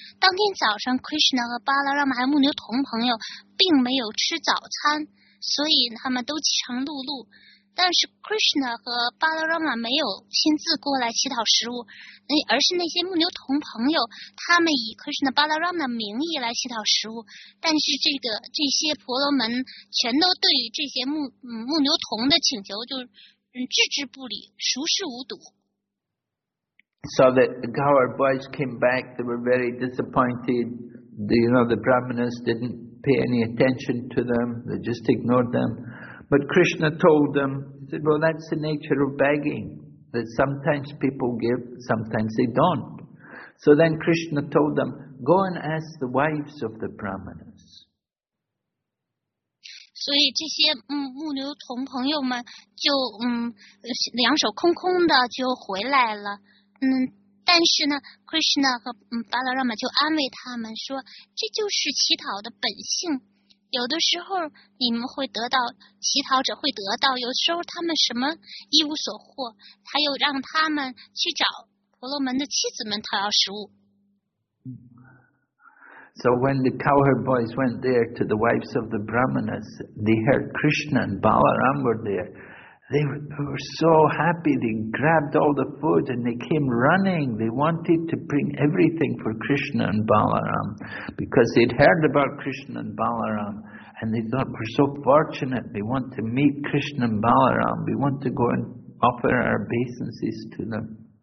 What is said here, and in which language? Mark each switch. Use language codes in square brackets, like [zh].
[zh] 当天早上 Krishna 和巴拉拉玛和牧牛童朋友并没有吃早餐，所以他们都饥肠辘辘，但是 Krishna 和巴拉拉玛没有亲自过来乞讨食物，而是那些牧牛童朋友他们以 Krishna 巴拉拉玛的名义来乞讨食物，但是这些婆罗门全都对于这些 牧牛童的请求就置之不理，熟视无睹。 [en] So the cowherd boys came back, they were very disappointed. You know, the brahmanas didn't pay any attention to them, they just ignored themBut Krishna told them, he said, well, that's the nature of begging, that sometimes people give, sometimes they don't. So then Krishna told them, go and ask the wives of the brahmanas. [zh] 所以这些牧牛童朋友们就两手空空的就回来了。但是呢 ,Krishna 和巴拉拉玛就安慰他们说，这就是乞讨的本性。有的时候你们会得到，乞讨者会得到，有时候他们什么一无所获，还有让他们去找婆罗门的妻子们讨要食物。 [en] So when the cowherd boys went there to the wives of the brahmanas, they heard Krishna and Balaram were there. They were so happy, they grabbed all the food and they came running. They wanted to bring everything for Krishna and Balaram because they'd heard about Krishna and Balaram and they thought, we're so fortunate, we want to meet Krishna and Balaram, we want to go and offer our obeisances to them.